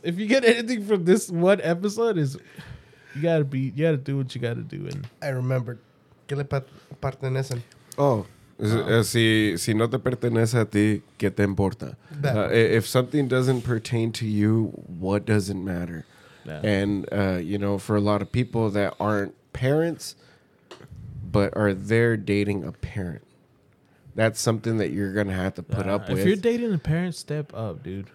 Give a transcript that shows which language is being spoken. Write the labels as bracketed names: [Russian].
[English] If you get anything from this one episode, is you gotta do what you gotta do. And I remembered. [Spanish] Que le pertenecen. [English] Oh. [Spanish] Si no te pertenece a ti, ¿qué te importa? [English] If something doesn't pertain to you, what does it matter? Yeah. And, you know, for a lot of people that aren't parents, but are they dating a parent? That's something that you're going to have to put up with. If you're dating a parent, step up, dude.